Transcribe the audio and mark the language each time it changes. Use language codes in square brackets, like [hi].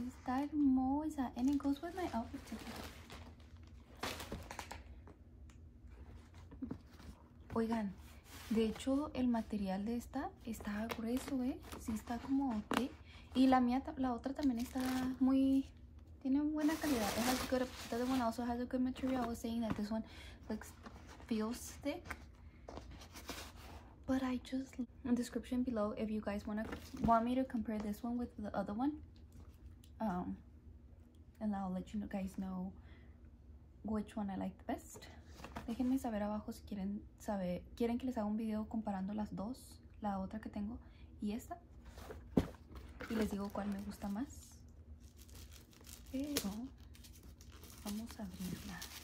[es] Está hermosa. [en] And it goes with my outfit today. [es] Oigan, de hecho el material de esta está grueso, ¿eh? Sí, está como ok. Y la mía, la otra también está muy... Tiene buena calidad. [en] It has good, the other one also has a good material. I was saying that this one looks, feels thick. But I just... In the description below, if you guys want me to compare this one with the other one. And I'll let you guys know which one I like the best. [es] Déjenme saber abajo si quieren saber... ¿Quieren que les haga un video comparando las dos? La otra que tengo y esta. Y les digo cuál me gusta más. Pero vamos a abrirla.